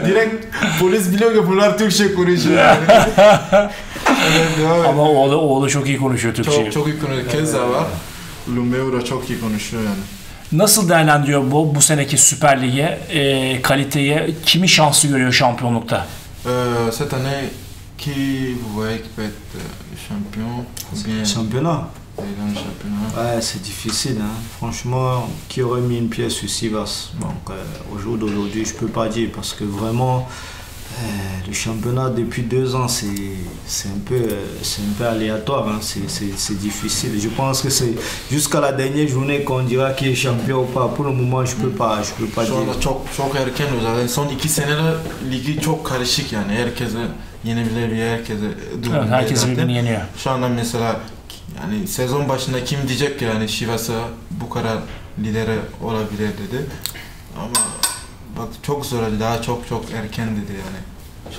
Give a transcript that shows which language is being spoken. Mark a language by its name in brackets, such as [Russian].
[Turkish] Direkt polis biliyor ki bunlar Türkçe konuşuyor. Evet. Ama oğlu çok iyi konuşuyor Türkçe. Çok iyi konuşuyor. Kez daha var. Lumeur'a çok iyi konuşuyor yani. Nasıl değerlendiriyor bu seneki Süper Lig'e, kaliteye, kimi şanslı görüyor şampiyonlukta? [French] Cette année, qui vous voyez qui peut être champion? Championnat. Dans le championnat. Ouais, c'est difficile. Hein. Franchement, qui aurait mis une pièce sur Sivas? Donc, au jour d'aujourd'hui, je peux pas dire parce que vraiment, le championnat depuis deux ans, c'est un peu aléatoire. Hein. C'est difficile. Je pense que c'est jusqu'à la dernière journée qu'on dira qui est champion ou pas. Pour le moment, je peux pas dire. [Turkish] Çok erken uzadı. Son iki senede ligi çok karışık yani. Herkese yenebiliyor, herkese durumda. Herkes birbirini yeniyor. Şu anda mesela yani sezon başında kim diyecek ki yani Sivas'a bu kadar lideri olabilir dedi. Ama bak çok zor, daha çok erken dedi yani.